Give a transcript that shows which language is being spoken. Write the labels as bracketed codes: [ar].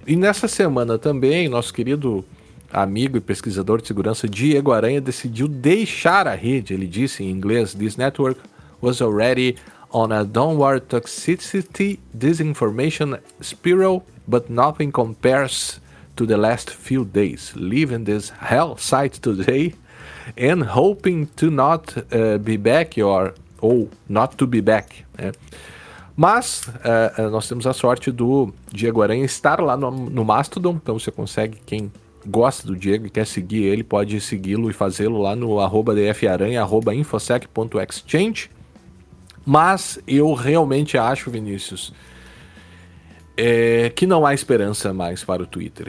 [pt] E nessa semana também, nosso querido amigo e pesquisador de segurança, Diego Aranha, decidiu deixar a rede. Ele disse em inglês: [en] "This network was already on a downward toxicity disinformation spiral, but nothing compares to the last few days. Leaving this hell site today and hoping to not be back or not to be back." [pt] Né? Mas nós temos a sorte do Diego Aranha estar lá no Mastodon, então você consegue, quem gosta do Diego e quer seguir ele, pode segui-lo e fazê-lo lá no @dfaranha, @infosec.exchange. Mas eu realmente acho, Vinícius, que não há esperança mais para o Twitter.